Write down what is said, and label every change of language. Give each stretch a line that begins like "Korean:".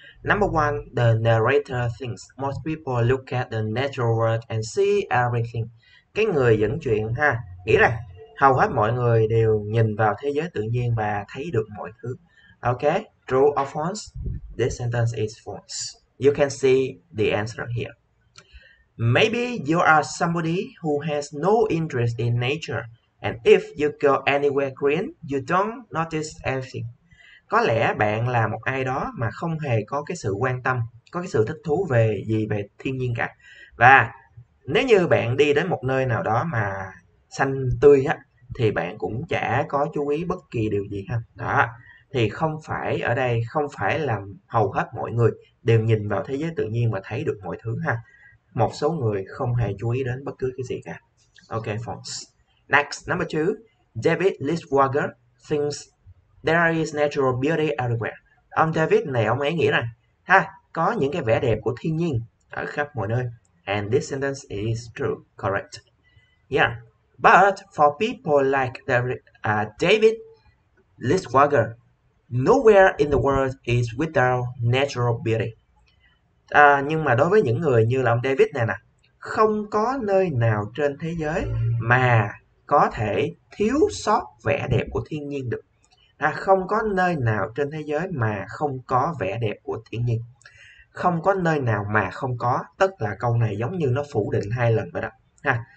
English: Number one, the narrator thinks most people look at the natural world and see everything.
Vietnamese: Cái người dẫn chuyện ha nghĩ rằng hầu hết mọi người đều nhìn vào thế giới tự nhiên và thấy được mọi thứ.
English: Okay, true or false? This sentence is false. You can see the answer here. Maybe you are somebody who has no interest in nature, and if you go anywhere green, you don't notice anything.
Vietnamese: Có lẽ bạn là một ai đó mà không hề có cái sự quan tâm, có cái sự thích thú về gì về thiên nhiên cả. Và nếu như bạn đi đến một nơi nào đó mà xanh tươi á, thì bạn cũng chả có chú ý bất kỳ điều gì ha. Đó, thì không phải ở đây, không phải là hầu hết mọi người đều nhìn vào thế giới tự nhiên và thấy được mọi thứ ha. Một số người không hề chú ý đến bất cứ cái gì cả.
English: Ok, folks. Next, number two, David Lichtwager thinks there is natural beauty everywhere.
Vietnamese: Ông David này, ông ấy nghĩ rằng, ha, có những cái vẻ đẹp của thiên nhiên ở khắp mọi nơi.
English: And this sentence is true, correct. Yeah, but for people like David Lichtwager, nowhere in the world is without natural beauty.
Vietnamese: Nhưng mà đối với những người như là ông David này nè, không có nơi nào trên thế giới mà có thể thiếu sót vẻ đẹp của thiên nhiên được. Không có nơi nào trên thế giới mà không có vẻ đẹp của thiên nhiên. Không có nơi nào mà không có, tức là câu này giống như nó phủ định hai lần vậy đó.